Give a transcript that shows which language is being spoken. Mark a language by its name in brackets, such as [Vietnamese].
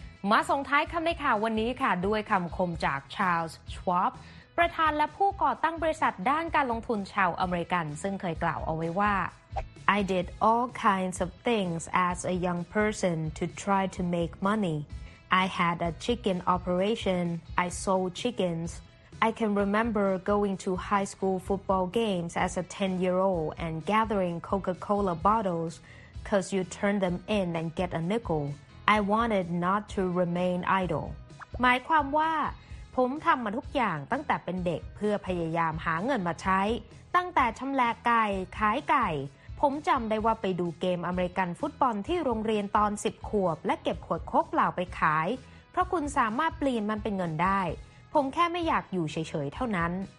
[Thai] มาส่งท้ายคำในข่าววันนี้ค่ะด้วยคำคมจาก Charles Schwab ประธานและผู้ก่อตั้งบริษัทด้านการลงทุนชาวอเมริกันซึ่งเคยกล่าวเอาไว้ว่า [English] I did all kinds of things as a young person to try to make money. I had a chicken operation. I sold chickens. I can remember going to high school football games as a 10-year-old and gathering Coca-Cola bottles because you turn them in and get a nickel. I wanted not to remain idle. [Thai] หมายความว่าผมทำมาทุกอย่างตั้งแต่เป็นเด็กเพื่อพยายามหาเงินมาใช้ตั้งแต่ชำแหละไก่ขายไก่ผมจำได้ว่าไปดูเกมอเมริกันฟุตบอลที่โรงเรียนตอน10ขวบและเก็บขวดโค้กเปล่าไปขายเพราะคุณสามารถเปลี่ยนมันเป็นเงินได้ผมแค่ไม่อยากอยู่เฉยๆเท่านั้น